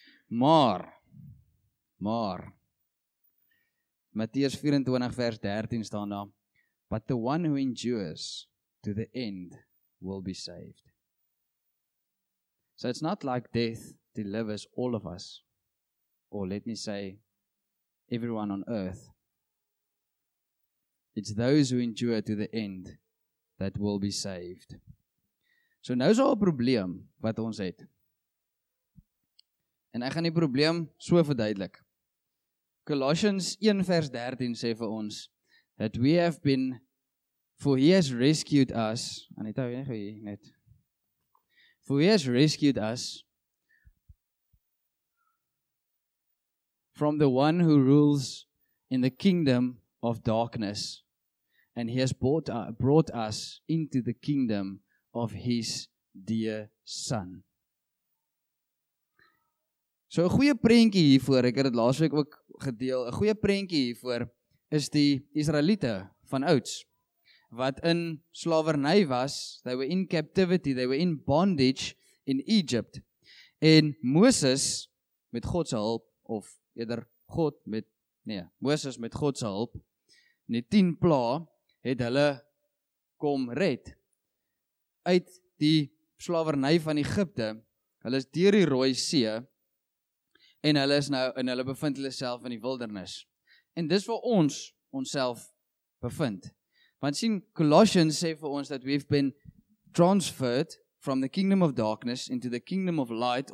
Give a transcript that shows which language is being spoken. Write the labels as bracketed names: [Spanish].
[Afrikaans] Maar, Matteus 24 vers 13 staan daar, [English] but the one who endures to the end will be saved. So it's not like death delivers all of us, or let me say, everyone on earth. It's those who endure to the end that will be saved. [Afrikaans] So nou is al 'n probleem wat ons het. En ek gaan die probleem so verduidelik. Colossians 1 vers 13 sê vir ons, [English] that we have been, for he has rescued us, [Afrikaans] en het hou jy net, [English] for he has rescued us from the one who rules in the kingdom of darkness, and he has brought us into the kingdom of his dear son. [Afrikaans] So, 'n goeie prentjie hiervoor, ek het dit laasweek ook gedeel, 'n goeie prentjie hiervoor is die Israeliete van ouds, wat in slavernij was, [English] they were in captivity, they were in bondage in Egypt. [Afrikaans] En Moses, met Godse hulp, of eerder God met, nee, Moses met Godse hulp, in die 10 pla, het hulle kom red. Uit die slavernij van Egypte, hulle is deur die Rooi See, en hulle is nou, en hulle bevind hulle self in die wildernis. En dis waar ons onsself bevind. Want sien, Colossians sê vir ons dat [English] we've been transferred from the kingdom of darkness into the kingdom of light.